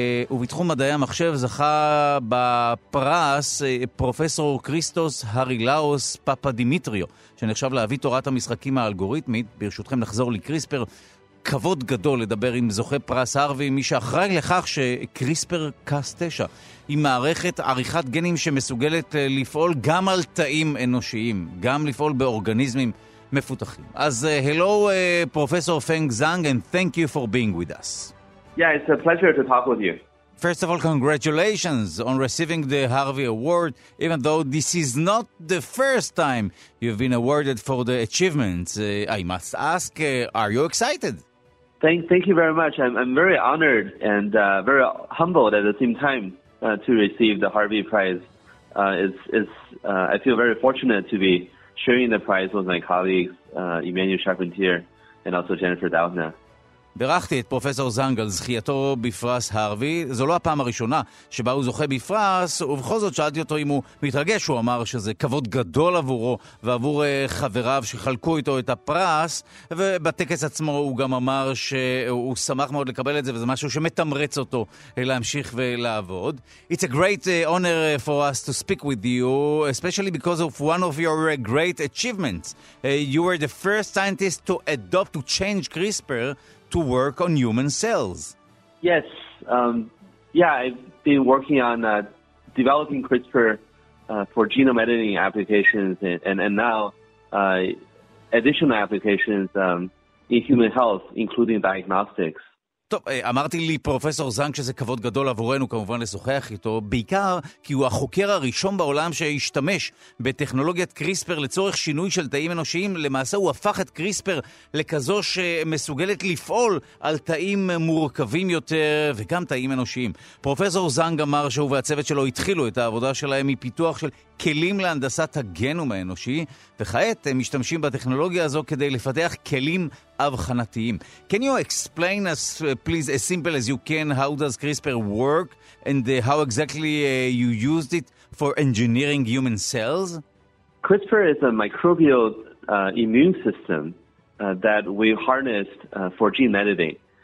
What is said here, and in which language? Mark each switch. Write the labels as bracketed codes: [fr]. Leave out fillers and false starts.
[he] ובתחום מדעי המחשב זכה בפרס פרופסור קריסטוס הרילאוס פפדימיטריו, שנחשב להביא תורת המשחקים האלגוריתמית. ברשותכם נחזור לקריספר. כבוד גדול לדבר עם זוכה פרס הרווי, מי שאחראי לכך שקריספר קאס 9 היא מערכת עריכת גנים שמסוגלת לפעול גם על תאים אנושיים, גם לפעול באורגניזמים מפותחים. אז הלו, [en] פרופסור פנג זנג, and thank you for being with us. Yeah, it's a pleasure to talk with you. First of all, congratulations on receiving the Harvey Award, even though this is not the first time you've been awarded for the achievements. I must ask, are you excited? Thank you very much. I'm very honored and very humbled at the same time to receive the Harvey Prize. I feel very fortunate to be sharing the prize with my colleagues, Emmanuel Charpentier and also Jennifer Doudna. [he] בירכתי את פרופסור זנג על זכייתו בפרס הרווי. זו לא הפעם הראשונה שבה הוא זוכה בפרס, ובכל זאת שאלתי אותו אם הוא מתרגש. הוא אמר שזה כבוד גדול עבורו ועבור חבריו שחלקו איתו את הפרס, ובטקס עצמו הוא גם אמר שהוא שמח מאוד לקבל את זה, וזה משהו שמתמרץ אותו להמשיך ולעבוד. [en] It's a great honor for us to speak with you, especially because of one of your great achievements. You were the first scientist to adopt, to change CRISPR, to work on human cells. Yes. I've been working on developing CRISPR for genome editing applications and now additional applications in human health, including diagnostics. [he] טוב, אמרתי לי פרופסור זנג שזה כבוד גדול עבורנו כמובן לשוחח איתו, בעיקר כי הוא החוקר הראשון בעולם שהשתמש בטכנולוגיית קריספר לצורך שינוי של תאים אנושיים. למעשה הוא הפך את קריספר לכזו שמסוגלת לפעול על תאים מורכבים יותר וגם תאים אנושיים. פרופסור זנג אמר שהוא והצוות שלו התחילו את העבודה שלהם מפיתוח של כלים להנדסת הגנום האנושי, וכעת הם משתמשים בטכנולוגיה הזו כדי לפתח כלים אבחנתיים. [en] Can you explain us, please, as simple as you can, how does CRISPR work and how exactly you used it for engineering human cells? CRISPR is a microbial immune system that we harnessed for gene editing.